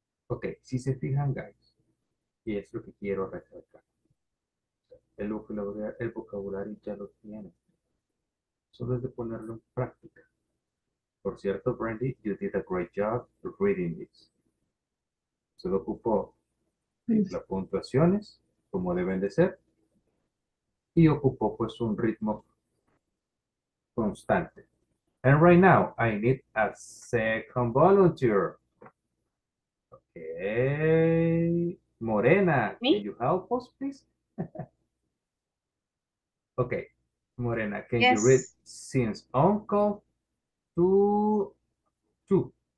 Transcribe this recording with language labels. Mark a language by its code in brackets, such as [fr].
[es] Okay, si se fijan, guys, y es lo que quiero recalcar. El vocabulario ya lo tienen. Solo es de ponerlo en práctica. Por cierto, [en] Brandy, you did a great job reading this. [es] Solo ocupo las puntuaciones como deben de ser y ocupo pues un ritmo constante. [en] And right now, I need a second volunteer. Okay, Morena, can Me? you help us, please? Okay, Morena, can you read Yes. since uncle to two?